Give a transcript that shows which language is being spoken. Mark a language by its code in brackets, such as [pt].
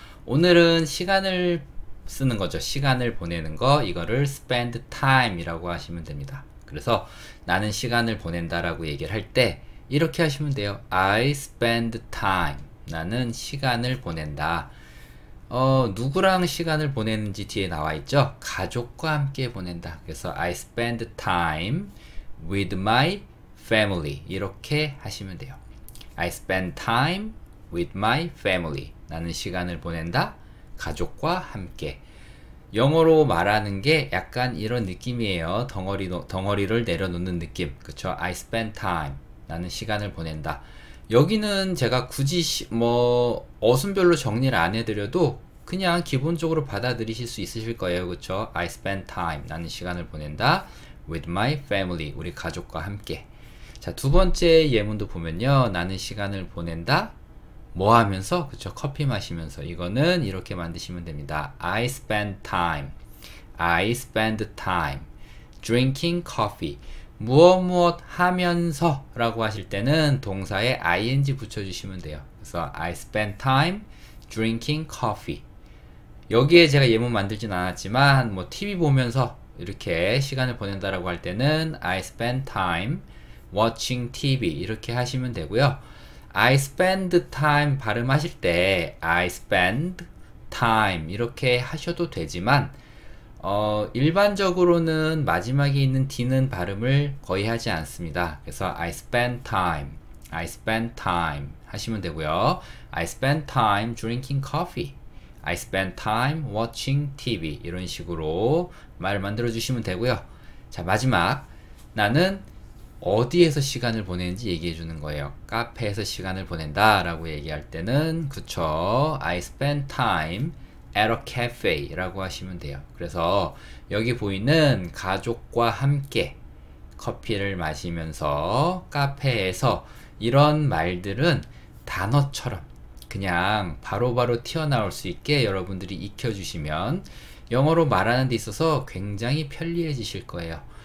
[ko] 오늘은 시간을 쓰는 거죠. 시간을 보내는 거, 이거를 [en] spend time [ko] 이라고 하시면 됩니다. 그래서 나는 시간을 보낸다라고 얘기를 할때 이렇게 하시면 돼요. [en] I spend time. [ko] 나는 시간을 보낸다. 누구랑 시간을 보내는지 뒤에 나와 있죠? 가족과 함께 보낸다. 그래서 [en] I spend time with my family. [ko] 이렇게 하시면 돼요. [en] I spend time with my family. [ko] 나는 시간을 보낸다. 가족과 함께. 영어로 말하는 게 약간 이런 느낌이에요. 덩어리를 내려놓는 느낌. 그쵸? [en] I spend time. [ko] 나는 시간을 보낸다. 여기는 제가 굳이 뭐 어순별로 정리를 안 해드려도 그냥 기본적으로 받아들이실 수 있으실 거예요. 그쵸? [en] I spend time. [ko] 나는 시간을 보낸다. [en] With my family. [ko] 우리 가족과 함께. 자, 두 번째 예문도 보면요. 나는 시간을 보낸다. 뭐 하면서? 그쵸? 커피 마시면서. 이거는 이렇게 만드시면 됩니다. [en] I spend time. I spend time. Drinking coffee. [ko] 무엇무엇 하면서 라고 하실 때는 동사에 ing 붙여주시면 돼요. 그래서 [en] I spend time drinking coffee. [ko] 여기에 제가 예문 만들진 않았지만, 뭐, TV 보면서 이렇게 시간을 보낸다라고 할 때는 [en] I spend time watching TV. [ko] 이렇게 하시면 되고요. [en] I spend time [ko] 발음하실 때 [en] I spend time. [ko] 이렇게 하셔도 되지만, 일반적으로는 마지막에 있는 D는 발음을 거의 하지 않습니다. 그래서 [en] I spend time. I spend time. 하시면 되고요. I spend time drinking coffee. I spend time watching TV. [ko] 이런 식으로 말을 만들어 주시면 되고요. 자, 마지막. 나는 어디에서 시간을 보내는지 얘기해 주는 거예요. 카페에서 시간을 보낸다라고 얘기할 때는 그쵸. [en] I spend time at a cafe라고 [ko] 하시면 돼요. 그래서 여기 보이는 가족과 함께 커피를 마시면서 카페에서 이런 말들은 단어처럼 그냥 바로바로 튀어나올 수 있게 여러분들이 익혀주시면 영어로 말하는 데 있어서 굉장히 편리해지실 거예요.